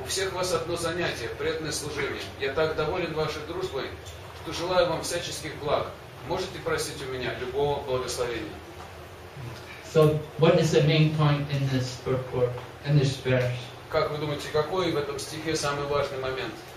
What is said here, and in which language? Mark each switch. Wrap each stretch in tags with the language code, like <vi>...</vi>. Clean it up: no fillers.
<ru>У всех вас одно занятие – преданное служение. Я так доволен вашей дружбой, что желаю вам всяческих благ. Можете просить у меня любого благословения.</ru> <en>So, what is the main point in this purport, in this verse?</en> <ru>Как вы думаете, какой в этом стихе самый важный момент?</ru>